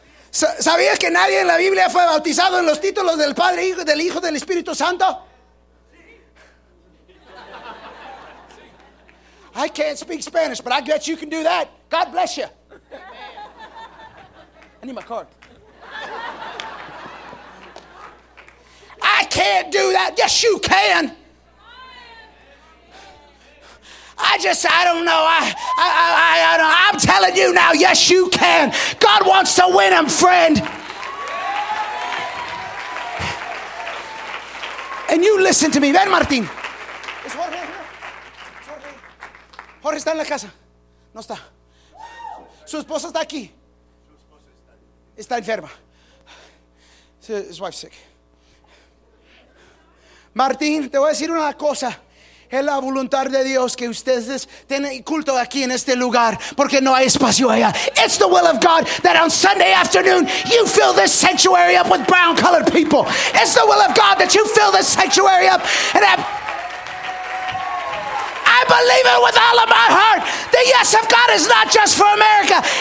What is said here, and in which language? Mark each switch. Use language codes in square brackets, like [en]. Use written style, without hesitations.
[es] ¿Sabías que nadie en la Biblia fue bautizado en los títulos del Padre, Hijo y del Hijo del Espíritu Santo? [en] I can't speak Spanish, but I bet you can do that. God bless you. I need my card. I can't do that. Yes, you can. I'm telling you now, yes, you can. God wants to win him, friend. And you listen to me. [es] Ven, Martin. [en] Is Jorge here? [es] Jorge está en la casa. No está. Su esposa está aquí. Está enferma. [en] His wife's sick. [es] Martin, te voy a decir una cosa. Es la voluntad de Dios que ustedes tienen culto aquí en este lugar porque no hay espacio allá. [en] It's the will of God that on Sunday afternoon you fill this sanctuary up with brown colored people. It's the will of God that you fill this sanctuary up and have... I believe it with all of my heart. The yes of God is not just for America.